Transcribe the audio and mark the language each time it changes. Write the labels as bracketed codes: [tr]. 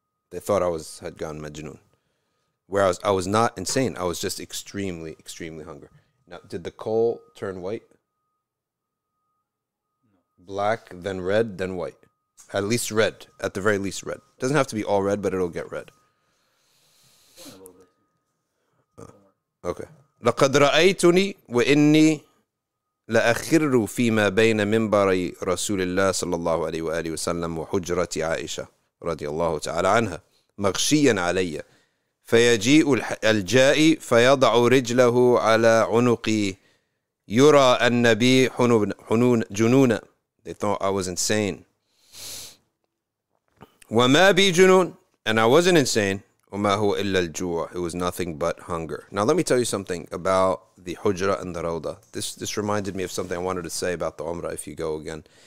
[en] They thought I had gone majnun. Whereas I was not insane. I was just extremely, extremely hungry. Now, did the coal turn white? No. Black, then red, then white. At least red. At the very least red. Doesn't have to be all red, but it'll get red. Okay. [ar] لقد رأيتني وإني لأخر فيما بين منبر رسول الله صلى الله عليه وآله وسلم وحجرة عائشة رضي الله تعالى عنها مغشيا علي فيجيء الجائي فيضع رجله على عنقي يرى النبي حنون جنونا. [en] They thought I was insane. [ar] وما بي جنون. [en] And I wasn't insane. It was nothing but hunger. Now, let me tell you something about the Hujra and the Rawda. This reminded me of something I wanted to say about the Umrah, if you go again.